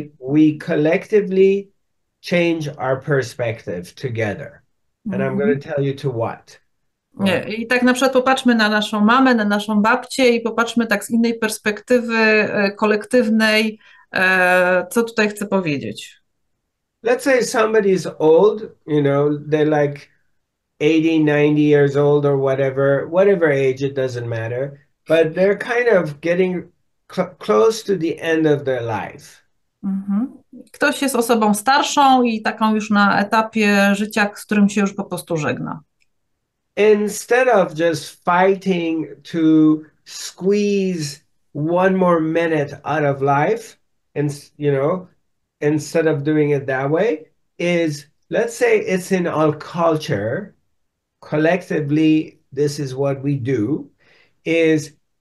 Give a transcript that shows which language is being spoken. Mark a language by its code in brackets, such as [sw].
[en] We collectively change our perspective together. And I'm going to tell you to what. [pl] Nie. I tak na przykład popatrzmy na naszą mamę, na naszą babcię i popatrzmy tak z innej perspektywy kolektywnej, co tutaj chcę powiedzieć. [en] Let's say somebody is old, they're like 80, 90 years old or whatever age, it doesn't matter. But they're kind of getting cl close to the end of their life. [pl] Ktoś jest osobą starszą i taką już na etapie życia, z którym się już po prostu żegna. [en] Instead of just fighting to squeeze one more minute out of life, and instead of doing it that way, is let's say it's in our culture, collectively, this is what we do, is